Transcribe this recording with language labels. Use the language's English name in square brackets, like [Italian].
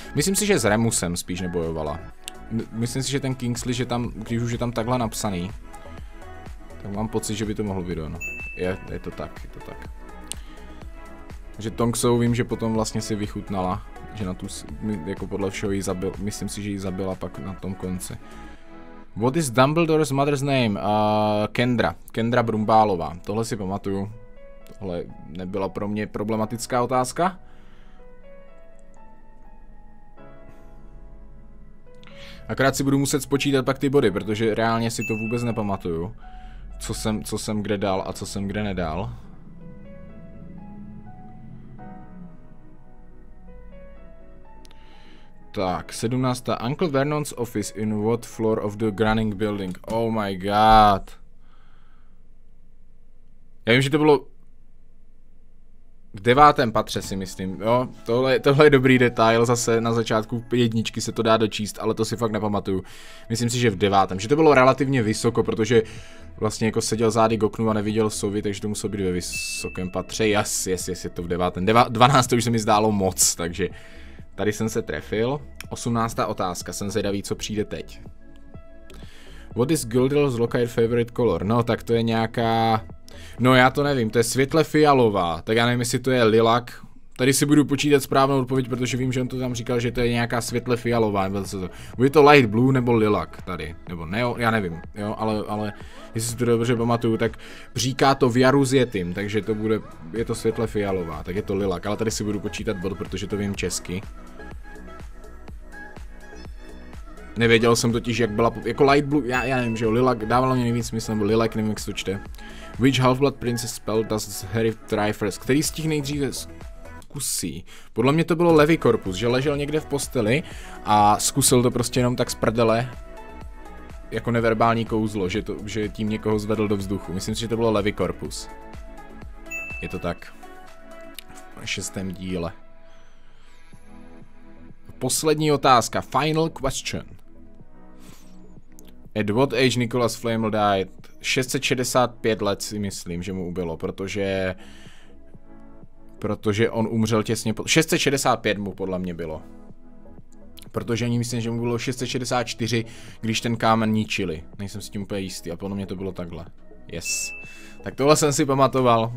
[Czech] Myslím si, že s Remusem spíš nebojovala. Myslím si, že ten Kingsley, že tam, když už je tam takhle napsaný, tak mám pocit, že by to mohlo být ono. Je to tak. Že Tonksou vím, že potom vlastně si vychutnala, že na tu, jako podle všeho jí zabil, myslím si, že jí zabila pak na tom konci. [English] What is Dumbledore's mother's name? [Czech] Kendra Brumbálová. Tohle si pamatuju. Tohle nebyla pro mě problematická otázka. Akorát si budu muset spočítat pak ty body, protože reálně si to vůbec nepamatuju. Co jsem kde dal a co jsem kde nedal. Tak, 17. [English] Uncle Vernon's office in what floor of the Granning building? Oh my god. [Czech] Já vím, že to bylo v 9. patře, si myslím, jo. Tohle je dobrý detail, zase na začátku jedničky se to dá dočíst, ale to si fakt nepamatuju. Myslím si, že v 9. Že to bylo relativně vysoko, protože vlastně jako seděl zády k oknu a neviděl sovy, takže to muselo být ve vysokém patře. [English] Yes, [Czech] je to v 9. 12. už se mi zdálo moc, takže tady jsem se trefil. 18. otázka, jsem zvědavý, co přijde teď. [English] What is Gildel's Lockhart favorite color? [Czech] No, tak to je nějaká... No, já to nevím, to je světle fialová, tak já nevím, jestli to je lilak. Tady si budu počítat správnou odpověď, protože vím, že on to tam říkal, že to je nějaká světle fialová. Bude to [English] light blue [Czech] nebo lilak tady, nebo neo, já nevím, jo, ale jestli si to dobře pamatuju, tak říká to v jaru s jetim, takže to bude, je to světle fialová, tak je to lilak, ale tady si budu počítat bod, protože to vím česky. Nevěděl jsem totiž, jak byla, jako [English] light blue, [Czech] já nevím, že jo, lilak, dávalo mě nejvíc smysl, nebo lilak, nevím, jak se to čte. [English] Which Half-Blood Princess spell does Harry try first? [Czech] Který z těch nejdříve zkusí? Podle mě to bylo levý korpus, že ležel někde v posteli a zkusil to prostě jenom tak z prdele jako neverbální kouzlo, že tím někoho zvedl do vzduchu. Myslím si, že to bylo levý korpus. Je to tak. V 6. díle. Poslední otázka. [English] Final question. At what age Nicholas Flamel died? [Czech] 665 let si myslím, že mu ubylo, protože on umřel těsně po... 665 mu podle mě bylo. Protože ani myslím, že mu bylo 664, když ten kámen ničili. Nejsem si tím úplně jistý a podle mě to bylo takhle. [English] Yes. [Czech] Tak tohle jsem si pamatoval.